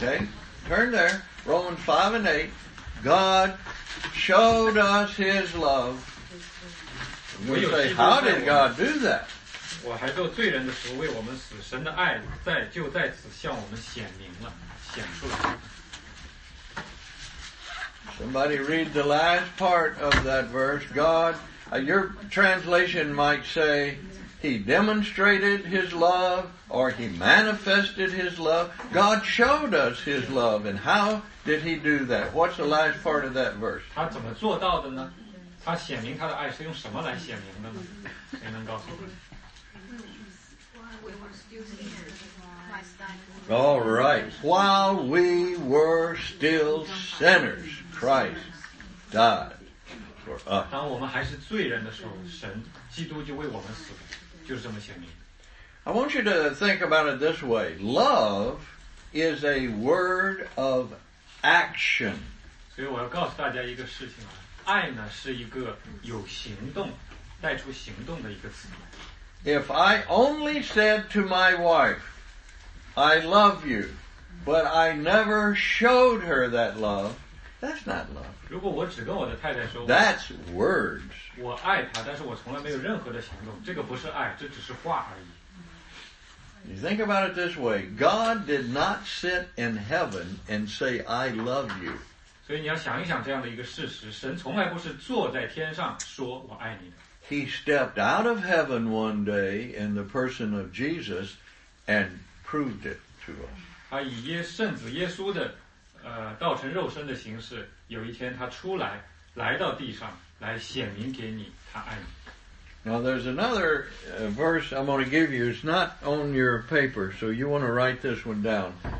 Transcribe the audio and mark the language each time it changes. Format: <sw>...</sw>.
<en>Okay, turn there. Romans 5 and 8. God showed us His love. We say, how did God do that?</en> <zh>我还做罪人的时候为我们死，神的爱在就在此向我们显明了，显出来。</zh> <en>Somebody read the last part of that verse. God, your translation might say, He demonstrated His love, or He manifested His love. God showed us His love, and how did He do that? What's the last part of that verse?</en> <zh>他怎么做到的呢？他显明他的爱是用什么来显明的呢？谁能告诉我？</zh> <en>All right. While we were still sinners, Christ died for us.</en> <zh>当我们还是罪人的时候，神基督就为我们死了，就是这么显明。</zh> <en>I want you to think about it this way. Love is a word of action.</en> <zh>所以我要告诉大家一个事情啊，爱呢是一个有行动，带出行动的一个词。</zh> <en>If I only said to my wife, I love you, but I never showed her that love, that's not love.</en> <zh>如果我只跟我的太太说</zh> <en>That's words.</en> <zh>我爱她，但是我从来没有任何的行动，这个不是爱，这只是话而已。</zh> <en>You think about it this way, God did not sit in heaven and say, I love you.</en> <zh>所以你要想一想这样的一个事实，神从来不是坐在天上说我爱你的。</zh> <en>He stepped out of heaven one day in the person of Jesus and proved it to us.</en> <zh>他以耶圣子耶稣的道成肉身的形式，有一天他出来，来到地上，来显明给你他爱你。</zh> <en>Now there's another verse I'm going to give you. It's not on your paper, so you want to write this one down.</en>